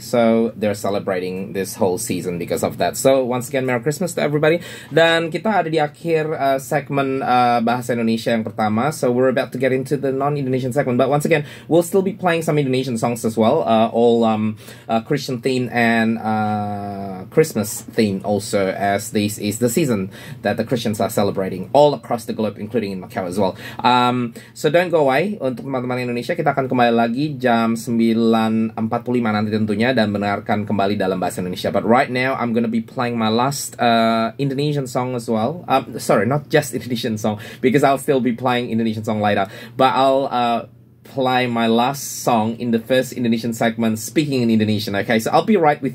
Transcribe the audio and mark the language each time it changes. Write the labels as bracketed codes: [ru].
[en] So, they're celebrating this whole season because of that. So, once again, Merry Christmas to everybody. [id] Dan kita ada di akhir segmen Bahasa Indonesia yang pertama. [en] So, we're about to get into the non-Indonesian segment. But once again, we'll still be playing some Indonesian songs as well. All Christian theme and Christmas theme also, as this is the season that the Christians are celebrating all across the globe, including in Macau as well. So don't go away. [id] Untuk teman-teman Indonesia, kita akan kembali lagi jam 9.45 nanti tentunya, dan mendengarkan kembali Dalam Bahasa Indonesia. [en] But right now I'm gonna be playing my last Indonesian song as well. Not just Indonesian song, because I'll still be playing Indonesian song later, but I'll play my last song in the first Indonesian segment, speaking in Indonesian. Okay, so I'll be right with you.